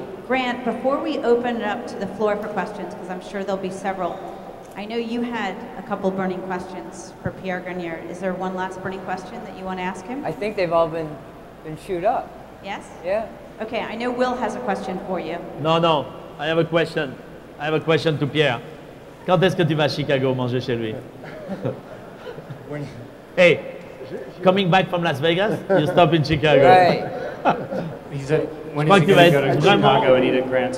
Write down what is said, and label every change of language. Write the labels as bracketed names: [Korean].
[English] Grant, before we open it up to the floor for questions, because I'm sure there'll be several, I know you had a couple burning questions for Pierre Gagnaire. Is there one last burning question that you want to ask him? I think they've all been chewed up. Yes? Yeah. Okay, I know Will has a question for you. No, I have a question. I have a question to Pierre. [French] Quand est-ce que tu vas à Chicago manger chez lui? [English] Hey, coming back from Las Vegas, you stop in Chicago. Right. When is he going to go to Chicago and eat at Grant's?